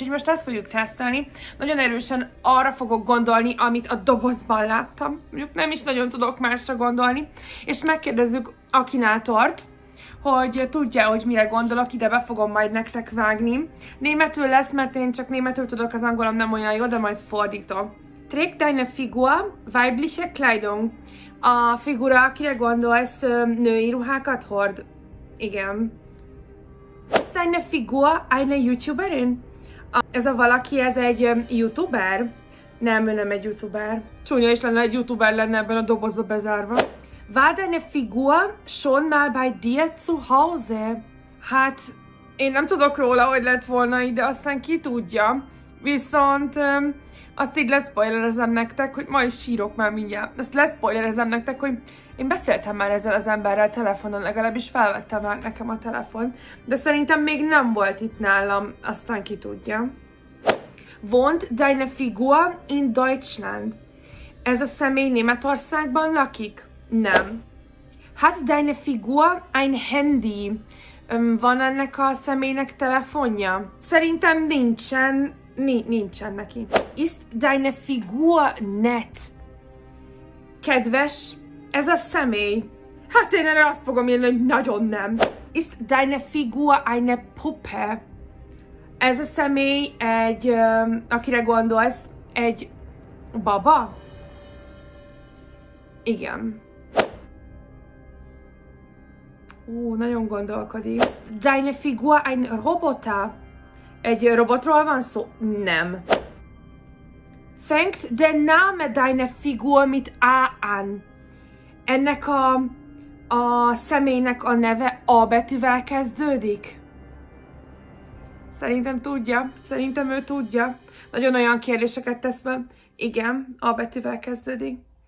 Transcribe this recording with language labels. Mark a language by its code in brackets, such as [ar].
[hu] Úgyhogy most ezt fogjuk tesztelni. Nagyon erősen arra fogok gondolni, amit a dobozban láttam. Mondjuk nem is nagyon tudok másra gondolni. És megkérdezzük Akinátort, hogy tudja, hogy mire gondolok, ide be fogom majd nektek vágni. Németül lesz, mert én csak németül tudok, az angolom nem olyan jó, de majd fordítom. [de] Trägt deine Figur weibliche Kleidung. [hu] A figura, kire gondolsz, női ruhákat hord? Igen. [de] Ist deine Figur eine YouTuberin? [hu] Ez a valaki, ez egy YouTuber? Nem, ő nem egy YouTuber. Csúnya is lenne, egy YouTuber lenne ebben a dobozba bezárva. [de] War deine Figur schon mal bei dir zu Hause? [hu] Hát, én nem tudok róla, hogy lett volna ide, aztán ki tudja. Viszont azt így leszpoilerezem nektek, hogy ma is sírok már mindjárt. Ezt leszpoilerezem nektek, hogy én beszéltem már ezzel az emberrel telefonon, legalábbis felvette már nekem a telefon, de szerintem még nem volt itt nálam, aztán ki tudja. [de] Wohnt deine Figur in Deutschland? [hu] Ez a személy Németországban lakik? Nem. [de] Hat deine Figur ein Handy? [hu] Van ennek a személynek telefonja? Szerintem nincsen. Nincsen neki. [de] Ist deine Figur nett? [hu] Kedves, ez a személy? Hát én erre azt fogom írni, hogy nagyon nem. [de] Ist deine Figur eine Puppe? [hu] Ez a személy egy, akire gondolsz, egy baba? Igen. Nagyon gondolkodik. [de] Deine Figur ein Roboter? [hu] Egy robotról van szó? Nem. [de] Fängt der Name deine Figur mit A an? [hu] Ennek a személynek a neve A betűvel kezdődik? Szerintem tudja. Szerintem ő tudja. Nagyon olyan kérdéseket tesz be. Igen, A betűvel kezdődik.